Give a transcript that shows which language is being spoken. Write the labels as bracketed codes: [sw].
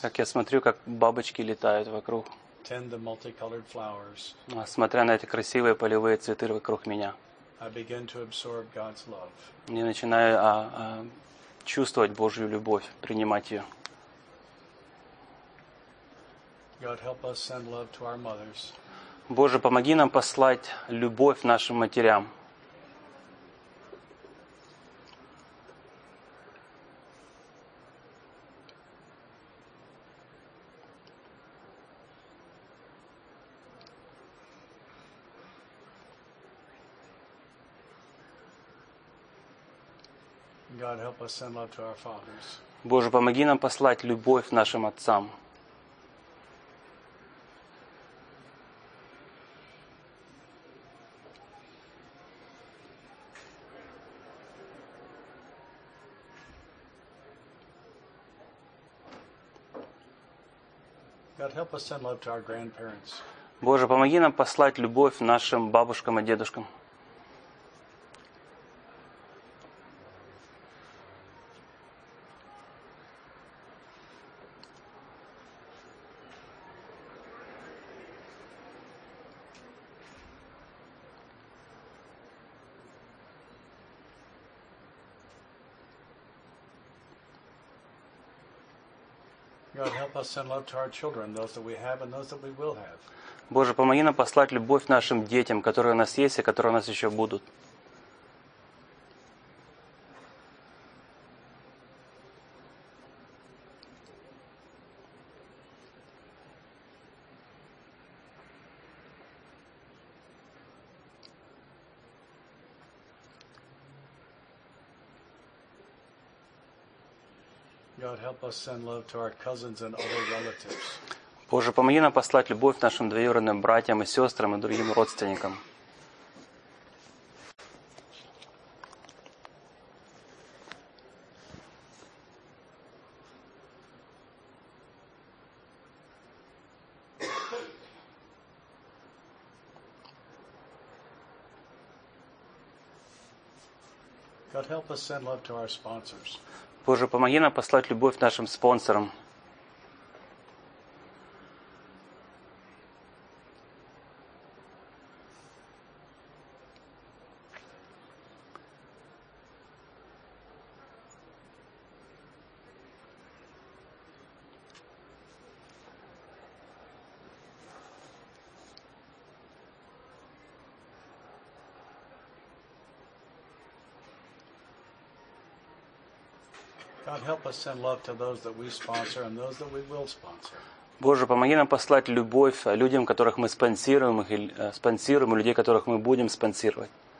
[ru] как я смотрю, как бабочки летают вокруг, [en] tend the multicolored flowers, [ru] смотря на эти красивые полевые цветы вокруг меня, [en] I begin to absorb God's love. [ru] Я начинаю чувствовать Божью любовь, принимать ее. [en] God help us send love to our mothers. [ru] Боже, помоги нам послать любовь нашим матерям. [en] God help us send love to our fathers. [ru] Боже, помоги нам послать любовь нашим отцам. [en] God help us send love to our grandparents. [ru] Боже, помоги нам послать любовь нашим бабушкам и дедушкам. [en] God help us send love to our children, those that we have and those that we will have. [ru] Боже, помоги нам послать любовь нашим детям, которые у нас есть и которые у нас еще будут. [en] God help us send love to our cousins and other relatives. [ru] Боже, помоги нам послать любовь нашим двоюродным братьям и сестрам и другим родственникам. [en] God help us send love to our sponsors. [ru] Боже, помоги нам послать любовь нашим спонсорам. [en] God help us send love to those that we sponsor and those that we will sponsor. [ru] Боже, помоги нам послать любовь людям, которых мы спонсируем, их спонсируем, людей, которых мы будем спонсировать.